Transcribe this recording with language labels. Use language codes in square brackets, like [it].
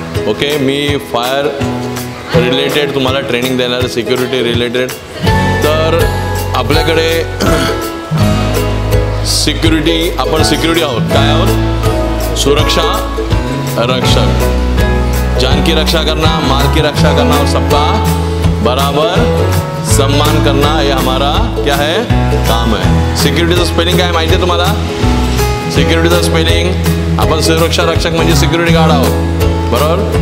[mr] Okay, मी fire related तुम्हाला training देणार, security related. तर आपल्याकडे सिक्युरिटी, आपण सिक्युरिटी आहोत. काय आहोत? सुरक्षा रक्षक. [hi] जान की रक्षा करना, माल की रक्षा करना और सबका बराबर सम्मान करना, ये हमारा क्या है? काम है. [mr] सिक्युरिटीचं स्पेलिंग काय माहिती आहे तुम्हाला? सिक्युरिटीचं स्पेलिंग, आपण सुरक्षा रक्षक म्हणजे सिक्युरिटी गार्ड आहोत, बरोबर.